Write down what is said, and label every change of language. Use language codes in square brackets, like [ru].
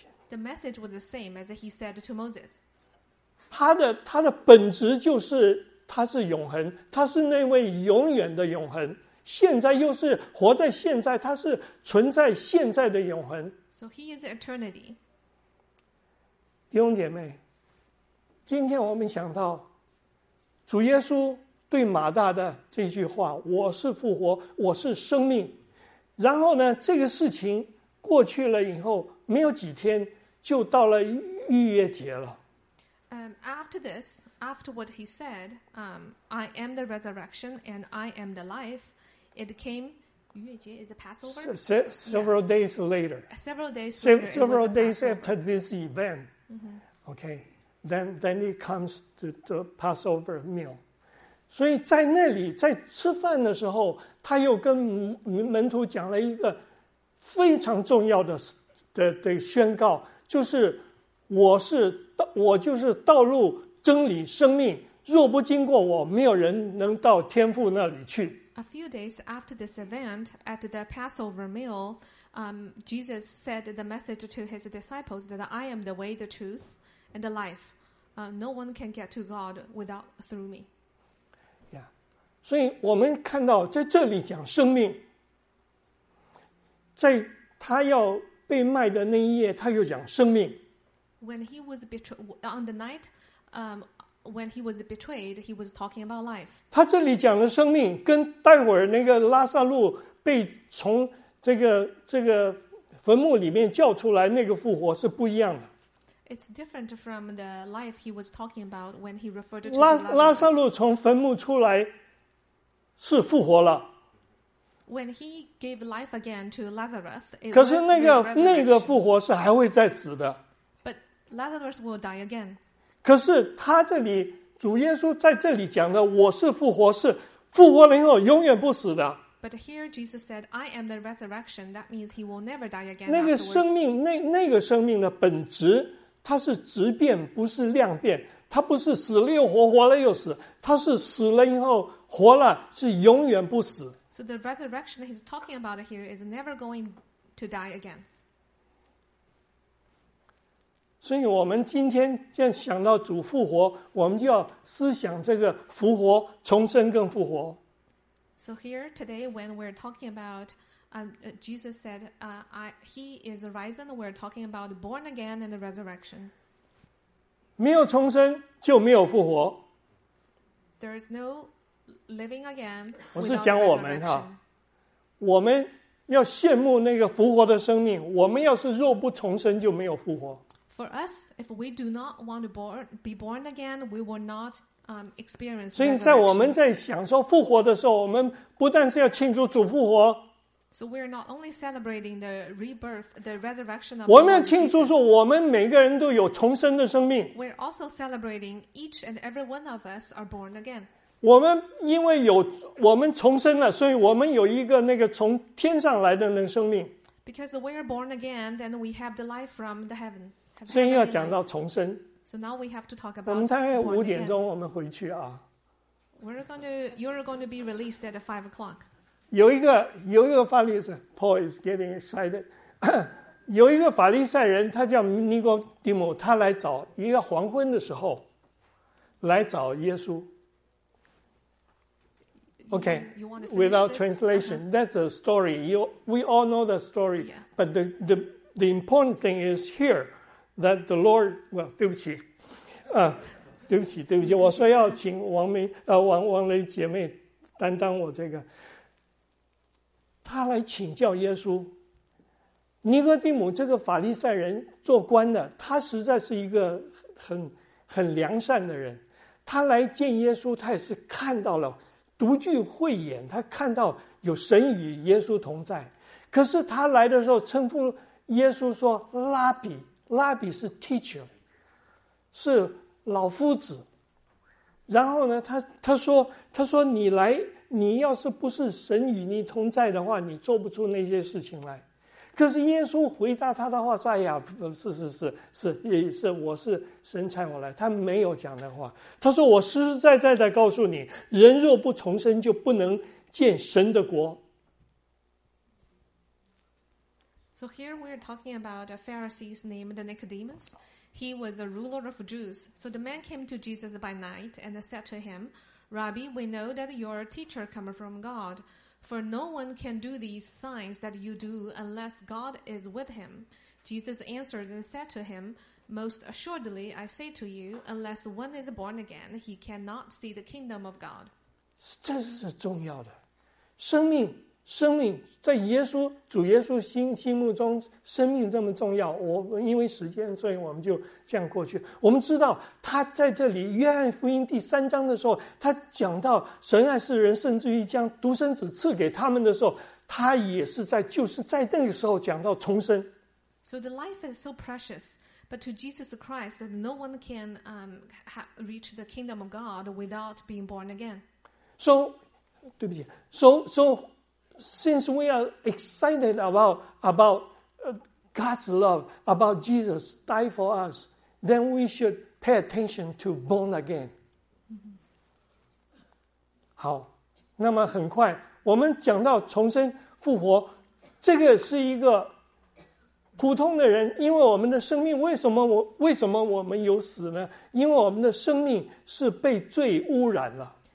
[en] The message was the same as he said to Moses. [zh] 他的本质就是。他是永恒，他是那位永远的永恒，现在又是活在现在，他是存在现在的永恒。 [en] So he is eternity. [zh] 弟兄姐妹，今天我们想到主耶稣对马大的这句话：“我是复活，我是生命。” 然后呢，这个事情过去了以后，没有几天就到了逾越节了。 [en] After what he said, I am the resurrection and I am the life, it came, 逾越节 is a Passover? Several days later. Several days after this event. Mm-hmm. Okay. Then it comes to the Passover meal. [zh] 所以在那里在吃饭的时候他又跟门徒讲了一个非常重要 的宣告，就是我就是道路真理生命，若不经过我，没有人能到天父那里去。 [en] A few days after this event, at the Passover meal, Jesus said the message to his disciples that I am the way, the truth, and the life. No one can get to God without through me. Yeah. [zh] 所以我们看到在这里讲生命，在他要被卖的那一夜，他又讲生命。 [en] When he was on the night, when he was betrayed, he was talking about life. [zh] 他这里讲的生命，跟待会儿那个拉撒路被从这个坟墓里面叫出来那个复活是不一样的。 [en] It's different from the life he was talking about when he referred to Lazarus. [zh] 拉撒路从坟墓出来是复活了。 [en] When he gave life again to Lazarus, [zh] 可是那个复活是还会再死的。 [en] Lazarus will die again. [zh] 可是他这里主耶稣在这里讲的我是复活，是复活了以后永远不死的。 [en] But here Jesus said, I am the resurrection. That means he will never die again. [zh] 那个生命，那个生命的本质，它是质变，不是量变。它不是死了又活，活了又死，它是死了以后活了，是永远不死。 [en] So the resurrection he's talking about here is never going to die again. [zh] 所以我们今天现在想到主复活，我们就要思想这个复活、重生跟复活。 [en] So here today, when we're talking about Jesus said, He is risen, we're talking about born again and the resurrection. [zh] 没有重生就没有复活。 [en] There is no living again. [zh] 我是讲我们哈，我们要羡慕那个复活的生命。我们要是若不重生，就没有复活。 [en] For us, if we do not want to be born again, we will not experience. [zh] 所以在我们在享受复活的时候，我们不但是要庆祝主复活。 [en] So we are not only celebrating the rebirth, the resurrection of. [zh] 我们要庆祝说，我们每个人都有重生的生命。 [en] We are also celebrating each and every one of us are born again. [zh] 我们因为有我们重生了，所以我们有一个那个从天上来的那个生命。 [en] Because we are born again, then we have the life from the heaven. [zh] 所以要讲到重生。 [en] So now we have to talk about. [zh] 我们大概五点钟我们回去啊。 [en] You're going to be released at 5 o'clock. [zh] 有一个法利赛 [en] ，Paul is getting excited 。 [zh] 有一个法利赛人，他叫尼哥底母，他来找一个黄昏的时候来找耶稣。 [en] Okay, without translation, that's a story. We all know the story,、 yeah. but the important thing is here that the Lord. [zh] Well, 对不起，对不起，对不起，我说要请王雷姐妹担当我这个。他来请教耶稣，尼哥底母这个法利赛人做官的，他实在是一个很良善的人。他来见耶稣，他也是看到了独具慧眼，他看到有神与耶稣同在。可是他来的时候称呼耶稣说拉比，拉比是 teacher， 是老夫子。然后呢，他说你来。你要是不是神与你同在的话，你做不出那些事情来。可是耶稣回答他的话说：“哎呀，是是是是，也是我是神差我来。”他没有讲的话，他说：“我实实在在的告诉你，人若不重生，就不能见神的国。” [en] So here we are talking about a Pharisee named Nicodemus. He was a ruler of Jews. So the man came to Jesus by night and said to him. Rabbi, we know that you're a teacher coming from God, for no one can do these signs that you do unless God is with him. Jesus answered and said to him, Most assuredly, I say to you, unless one is born again, he cannot see the kingdom of God. [zh] 这是重要的。生命在耶稣主耶稣心目中生命这么重要，我因为时间，所以我们就这样过去。我们知道他在这里约翰福音第三章的时候，他讲到神爱世人，甚至于将独生子赐给他们的时候，他也是在就是在那个时候讲到重生。 [en] So the life is so precious, but to Jesus Christ that no one can reach the kingdom of God without being born again. So [zh] 对不起 [en] so Since we are excited about God's love, about Jesus died for us, then we should pay attention to born again. [zh] 好，那么很快，我们讲到重生复活，这个是一个普通的人，因为我们的生命为什么我们有死呢？因为我们的生命是被罪污染了。